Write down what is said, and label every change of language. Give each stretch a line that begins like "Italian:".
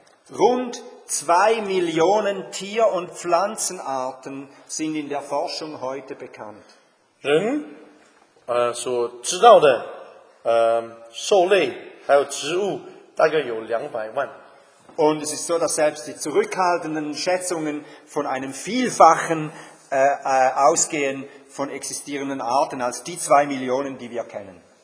German: Rund 2 Millionen Tier- und Pflanzenarten sind in der Forschung heute bekannt.
Chinese: 人所知道的兽类还有植物大概有200万。
German: Und es ist so, dass selbst die zurückhaltenden Schätzungen von einem Vielfachen ausgehen von existierenden Arten als die 2 Millionen, die wir kennen.